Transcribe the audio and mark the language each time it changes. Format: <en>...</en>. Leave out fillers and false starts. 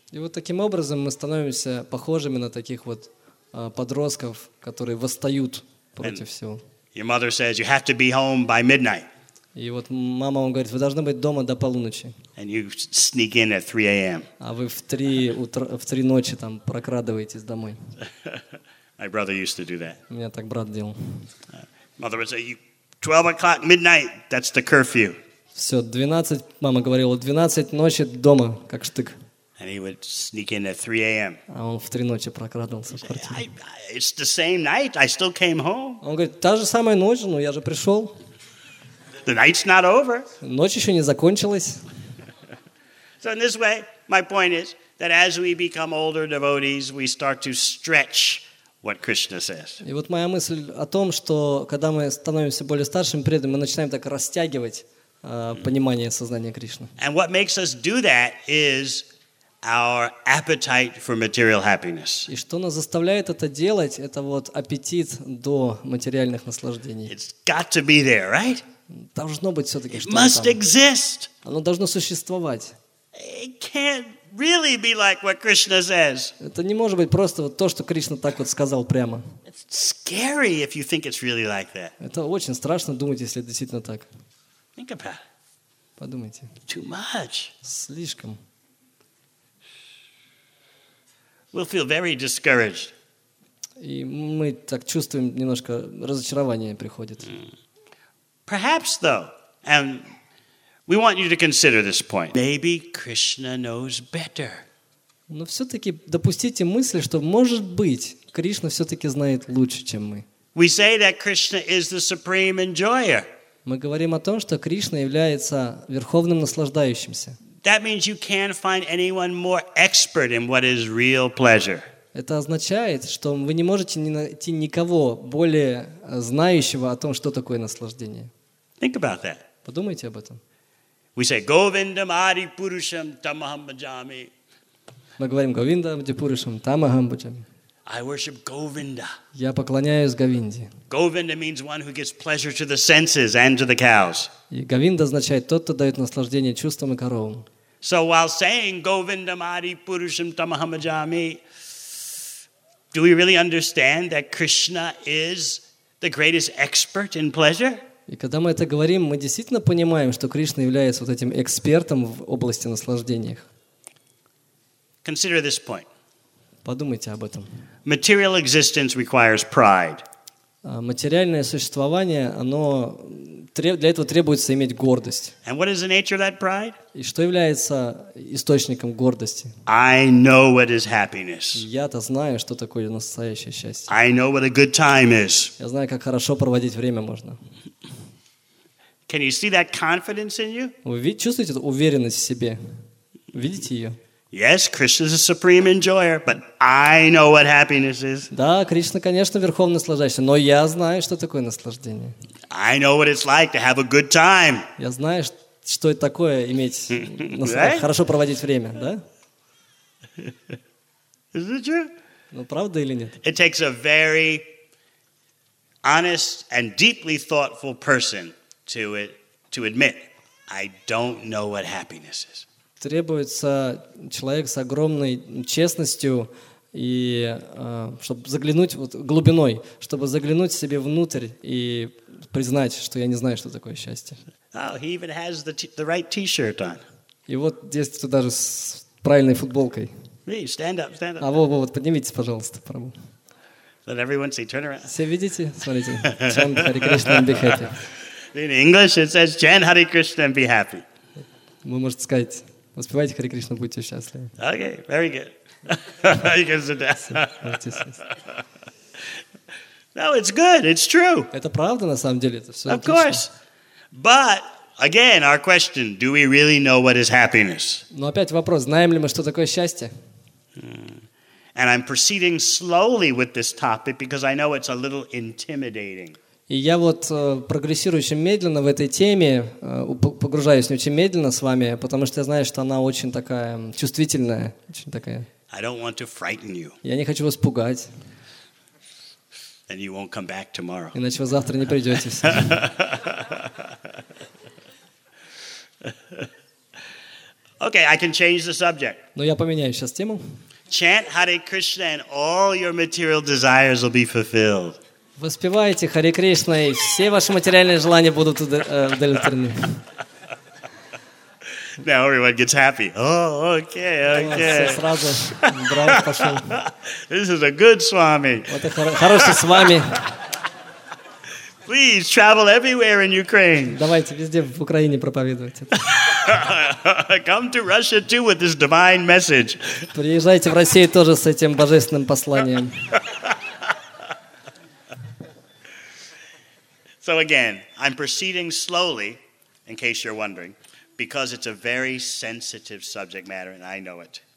<ru>И вот таким образом мы становимся похожими на таких вот подростков, которые восстают против всего.</ru> <en>Your mother says you have to be home by midnight.</en> <ru>И вот мама вам говорит, вы должны быть дома до полуночи.</ru> <en>And you sneak in at 3 a.m.</en> <ru>А вы в три ночи там прокрадываетесь домой.</ru> <en>My brother used to do that.</en> <ru>У меня так брат делал.</ru> <en>Mother would say, 12 o'clock midnight, that's the curfew.</en> <ru>Все, 12, мама говорила, 12 ночи дома, как штык.</ru> <en>And he would sneak in at 3 a.m.</en> <ru>А он в три ночи прокрадывался в квартиру.</ru> <en>It's the same night. I still came home.</en> <ru>Он говорит, та же самая ночь, но я же пришел.</ru> <en>The night's not over.</en> <ru>Ночь еще не закончилась.</ru> <en>So in this way, my point is that as we become older devotees, we start to stretch what Krishna says.</en> <ru>И вот моя мысль о том, что когда мы становимся более старшими преданными, мы начинаем так растягивать понимание сознания Кришны.</ru> <en>And what makes us do that is our appetite for material happiness.</en> <ru>И что нас заставляет это делать, это вот аппетит до материальных наслаждений.</ru> <en>It's got to be there, right?</en> <ru>Должно быть все-таки что-то там.</ru> <en>It must exist.</en> <ru>Оно должно существовать.</ru> <en>It can't really be like what Krishna says.</en> <ru>Это не может быть просто вот то, что Кришна так вот сказал прямо.</ru> <en>It's scary if you think it's really like that.</en> <ru>Это очень страшно думать, если действительно так.</ru> <en>Think about it.</en> <ru>Подумайте.</ru> <en>Too much.</en> <ru>Слишком.</ru> <en>We'll feel very discouraged.</en> <ru>И мы так чувствуем немножко разочарование приходит.</ru> <en>Perhaps though, and we want you to consider this point. Maybe Krishna knows better.</en> <ru>Но все-таки допустите мысль, что может быть Кришна все-таки знает лучше, чем мы.</ru> <en>We say that Krishna is the supreme enjoyer.</en> <ru>Мы говорим о том, что Кришна является верховным наслаждающимся.</ru> <en>That means you can't find anyone more expert in what is real pleasure.</en> <ru>Это означает, что вы не можете найти никого более знающего о том, что такое наслаждение.</ru> <en>Think about that.</en> <ru>Подумайте об этом.</ru> <en>We say Govindam Adi Purusham Tamaham Bhajami.</en> <ru>Мы говорим Говиндам Ади Пурушам Тамахам Бхаджами.</ru> <en>I worship Govinda.</en> <ru>Я поклоняюсь Говинде.</ru> <en>Govinda means one who gives pleasure to the senses and to the cows.</en> <ru>И Говинда означает тот, кто дает наслаждение чувствам и коровам.</ru> <en>So while saying Govindam Adi Purusham Tamaham Bhajami, do we really understand that Krishna is the greatest expert in pleasure?</en> <ru>И когда мы это говорим, мы действительно понимаем, что Кришна является вот этим экспертом в области наслаждений.</ru> <en>Consider this point.</en> <ru>Подумайте об этом.</ru> <en>Material existence requires pride.</en> <ru>Материальное существование, оно для этого требуется иметь гордость.</ru> <en>And what is the nature of that pride?</en> <ru>И что является источником гордости?</ru> <en>I know what is happiness.</en> <ru>Я-то знаю, что такое настоящее счастье.</ru> <en>I know what a good time is.</en> <ru>Я знаю, как хорошо проводить время можно.</ru> <en>Can you see that confidence in you?</en> <ru>Вы чувствуете эту уверенность в себе? Видите ее?</ru> <en>Yes, Krishna is a supreme enjoyer, but I know what happiness is.</en> <ru>Да, Кришна, конечно, верховный наслаждающий, но я знаю, что такое наслаждение.</ru> <en>I know what it's like to have a good time.</en> <ru>Я знаю, что это такое иметь хорошо проводить время, да?</ru> <en>Is it true?</en> <ru>Ну правда или нет?</ru> <en>It takes a very honest and deeply thoughtful person to admit, I don't know what happiness is.</en> <ru>Требуется человек с огромной честностью и чтобы заглянуть вот глубиной, чтобы заглянуть себе внутрь и признать, что я не знаю, что такое счастье.</ru> <en>Oh, he even has the right t-shirt on.</en> <ru>И вот здесь кто даже с правильной футболкой.</ru> <en>Hey, stand up.</en> <ru>А вот поднимитесь, пожалуйста, Прабу.</ru> <en>Let everyone see, turn around.</en> <ru>Все видите? Смотрите.</ru> <en>Chant Hare Krishna and be happy. In English it says chant Hare Krishna and be happy.</en> <ru>Вы можете сказать: «Воспевайте Хари Кришну, будьте счастливы».</ru> <en>Okay, very good. You can sit down. No, it's good, it's true.</en> <ru>Это правда, на самом деле.</ru> <en>Of course. But, again, our question, do we really know what is happiness?</en> <ru>Но опять вопрос, знаем ли мы, что такое счастье?</ru> <en>And I'm proceeding slowly with this topic because I know it's a little intimidating.</en> <ru>И я вот прогрессирую очень медленно в этой теме, погружаюсь очень медленно с вами, потому что я знаю, что она очень такая чувствительная, очень такая.</ru> <en>I don't want to frighten you.</en> <ru>Я не хочу вас пугать.</ru> <en>And you won't come back tomorrow.</en> <ru>Иначе вы завтра не придете.</ru> <en>Okay, I can change the subject.</en> <ru>Но я поменяю сейчас тему.</ru> <en>Chant Hare Krishna and all your material desires will be fulfilled.</en> <ru>Воспевайте Хари Кришна, и все ваши материальные желания будут удовлетворены.</ru> <en>Now everyone gets happy. Oh, okay.</en> <ru>Все сразу брат пошел.</ru> <en>This is a good swami.</en> <ru>Вот это хороший свами.</ru> <en>Please travel everywhere in Ukraine.</en> <ru>Давайте везде в Украине проповедовать.</ru> <en>Come to Russia too with this divine message.</en> <ru>Приезжайте в Россию тоже с этим божественным посланием.</ru> <en>So again, I'm proceeding slowly, in case you're wondering, because it's a very sensitive subject matter, and I know it.</en>